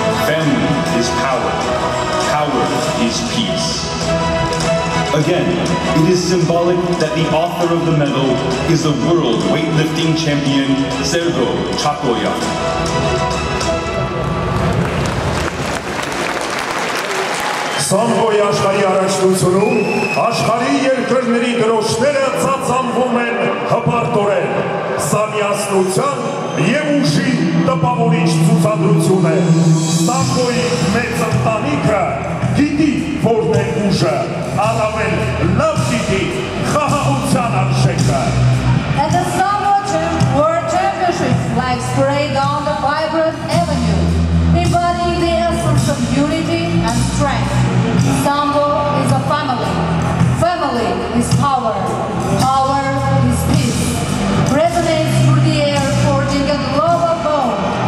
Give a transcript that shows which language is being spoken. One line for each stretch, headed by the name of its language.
English: Family is power. Power is peace. Again, it is symbolic that the author of the medal is the world weightlifting champion, Sergo Chakoyan.
Armenian: Սամբոյի աշխարհի առաջնությունում աշխարհի երկրների դրոշները ծածանվում են հպարտորեն։ Սա միասնության և ուժի տպավորիչ ցուցադրություն է։ Սամբոյի մեծ ընտանիքը գիտի, որն է ուժը, առավել լավ գիտի խաղաղության արժեքը։
English: At the Sambo World Championships like spray down the vibrant avenue, embodying the essence of unity and strength. Sambo is a family. Family is power. Power is peace. Resonates through the air, forging a global bond.